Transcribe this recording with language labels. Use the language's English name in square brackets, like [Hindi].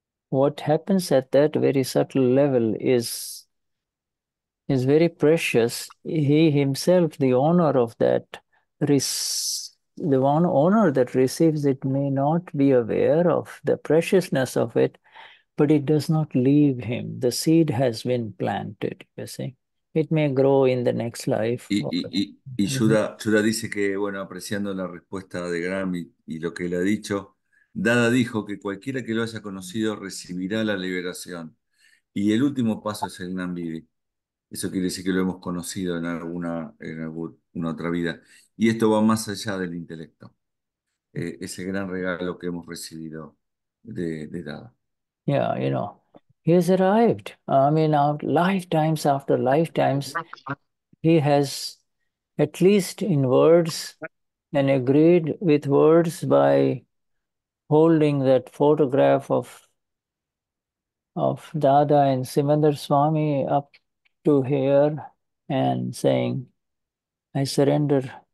[English] What happens at that very subtle level is very precious. He himself, the owner of that, the one owner that receives it may not be aware of the preciousness of it, but it does not leave him. The seed has been planted, you see. It may grow in the next life. [Spanish] Y Shuddha dice que, bueno, apreciando la respuesta de Graham y lo que él ha dicho, Dada dijo que cualquiera que lo haya conocido recibirá la liberación. Y el último paso es el Gnanvidhi. Eso quiere decir que lo hemos conocido en alguna otra vida. Y esto va más allá del intelecto. Ese gran regalo que hemos recibido de Dada. [English] Yeah, you know, he has arrived. I mean, lifetimes after lifetimes, he has, at least in words, and agreed with words by holding that photograph of Dada and Simandar Swami up to here and saying, I surrender